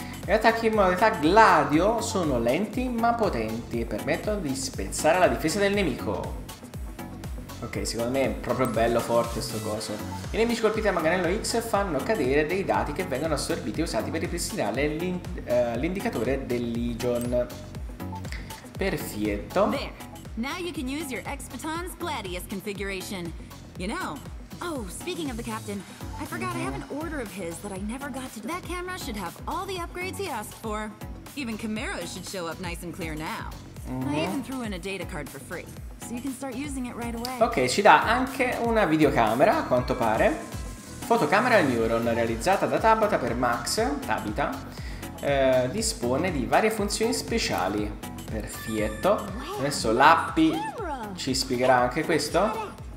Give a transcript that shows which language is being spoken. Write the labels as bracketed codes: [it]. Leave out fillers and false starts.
[it] Gli attacchi in modalità gladio sono lenti ma potenti e permettono di spezzare la difesa del nemico. Ok, secondo me è proprio bello forte sto coso. I nemici colpiti da manganello X fanno cadere dei dati che vengono assorbiti e usati per ripristinare l'indicatore del Legion. Perfetto. [en] There. Now you can use your ex-baton's gladius configuration. You know. Oh, speaking of the captain, I forgot I have an order of his that I never got to do. That camera should have all the upgrades he asked for. Even Camaro should show up nice and clear now. I even threw in a data card for free, so you can start using it right away. [it] Ok, ci dà anche una videocamera, a quanto pare. Fotocamera Neuron, realizzata da Tabitha per Max, Tabitha, dispone di varie funzioni speciali. Perfetto. Adesso Lappy ci spiegherà anche questo.